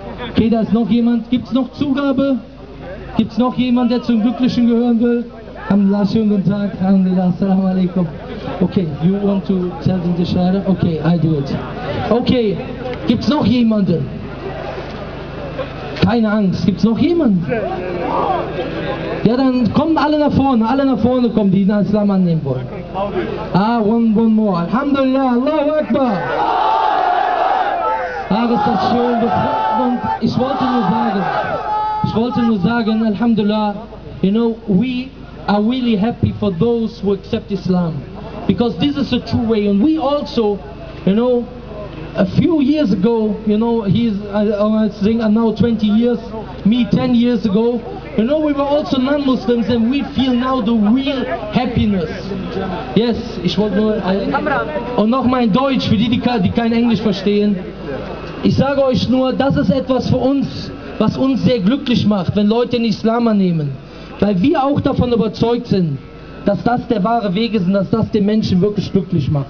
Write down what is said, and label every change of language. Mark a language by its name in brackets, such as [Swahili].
[German] Okay, da ist noch jemand. Gibt's noch Zugabe? Gibt's noch jemand, der zum Glücklichen gehören will? Alhamdulillah, schönen guten Tag. Alhamdulillah, assalamu alaikum. [English] Okay, you want to tell them the shahada? Okay, I do it. Okay, [German] gibt's noch jemanden? Keine Angst, gibt's noch jemanden? Ja, dann kommen alle nach vorne kommen, die den Islam annehmen wollen. [English] Ah, one more. Alhamdulillah, Allahu Akbar. [German] Ah, ist das schön. Und ich wollte nur sagen, [English] Alhamdulillah, you know, we are really happy for those who accept Islam. Because this is a true way. And we also, you know, a few years ago, you know, now 20 years, me 10 years ago, you know, we were also non-Muslims and we feel now the real happiness. Yes, ich wollte nur... [German] Und nochmal in Deutsch, für die kein Englisch verstehen. Ich sage euch nur, das ist etwas für uns, was uns sehr glücklich macht, wenn Leute den Islam annehmen. Weil wir auch davon überzeugt sind, dass das der wahre Weg ist und dass das den Menschen wirklich glücklich macht.